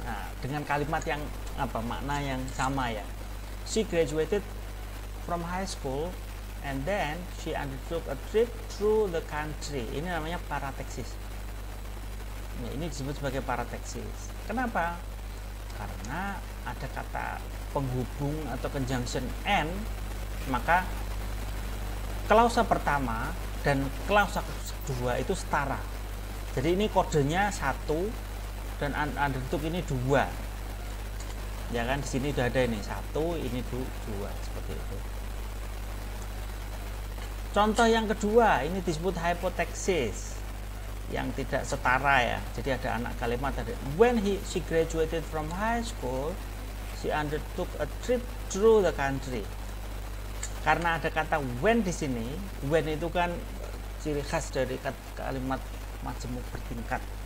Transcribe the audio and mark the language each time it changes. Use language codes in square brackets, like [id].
[id] Nah, dengan kalimat yang apa makna yang sama ya. [en] She graduated from high school and then she undertook a trip through the country. [id] Ini namanya parataxis. Ya, ini disebut sebagai parataxis. Kenapa? Karena ada kata penghubung atau conjunction and, maka klausa pertama dan klausa kedua itu setara. Jadi ini kodenya 1 dan undertook ini 2. Ya kan, di sini sudah ada ini 1, ini 2 seperti itu. Contoh yang kedua, ini disebut hypotaxis. Yang tidak setara ya. Jadi ada anak kalimat tadi. [en] When she graduated from high school, she undertook a trip through the country. [id] Karena ada kata when di sini, when itu kan ciri khas dari kalimat majemuk bertingkat.